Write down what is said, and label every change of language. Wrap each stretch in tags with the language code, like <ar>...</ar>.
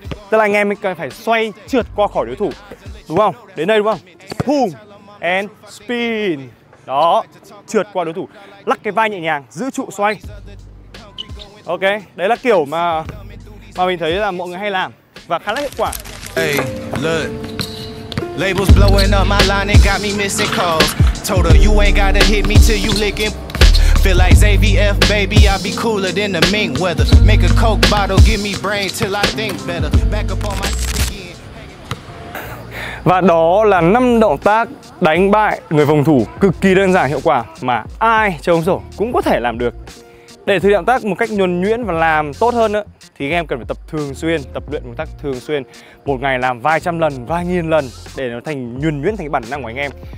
<vi>Tức là anh em phải xoay trượt qua khỏi đối thủ. Đúng không? Đến đây đúng không?</vi> <en>Boom and spin.</en> <vi>Đó, trượt qua đối thủ. Lắc cái vai nhẹ nhàng, giữ trụ xoay. Ok, đấy là kiểu mà mình thấy là mọi người hay làm và khá là hiệu quả.</vi> <en>Hey, look. Labels blowing up my line and got me missing calls. Told her you ain't gotta hit me till you licking. Feel like ZVF, baby, I'll be cooler than the mink weather. Make a Coke bottle, give me brain till I think better. Back up on my...</en> <vi>Và đó là 5 động tác đánh bại người phòng thủ cực kỳ đơn giản hiệu quả mà ai chơi bóng rổ cũng có thể làm được. Để thực hiện động tác một cách nhuần nhuyễn và làm tốt hơn nữa thì các em cần phải tập thường xuyên, tập luyện một tác thường xuyên, một ngày làm vài trăm lần, vài nghìn lần để nó thành nhuần nhuyễn, thành bản năng của anh em.</vi>